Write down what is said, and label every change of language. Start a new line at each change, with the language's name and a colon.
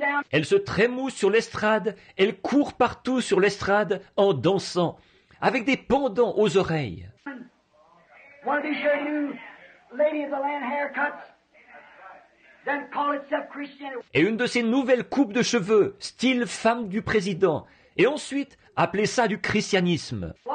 French: Elle se trémousse sur l'estrade, elle court partout sur l'estrade en dansant, avec des pendants aux oreilles.
English: One of these new lady of the land haircuts, then call itself Christian.
French: Et une de ces nouvelles coupes de cheveux, style femme du président, et ensuite... Appelez ça du christianisme.